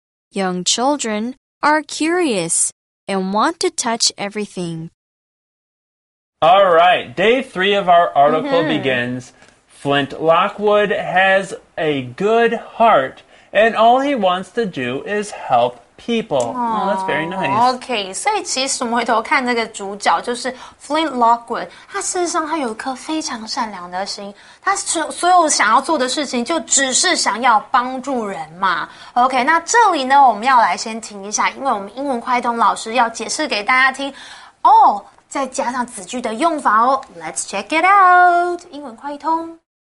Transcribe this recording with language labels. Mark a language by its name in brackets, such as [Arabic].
[English] Young children are curious and want to touch everything. All right, day three of our article begins. Flint Lockwood has a good heart, and all he wants to do is help. People. Oh, that's very nice. Okay, [Chinese] 所以其实回头看这个主角就是 Flint Lockwood, 他事实上他有一颗非常善良的心，他所有想要做的事情就只是想要帮助人嘛。 [English] Okay, [Chinese] 那这里呢我们要来先停一下，因为我们英文快通老师要解释给大家听哦，再加上子句的用法哦。 [English] Let's check it out, 英文快通。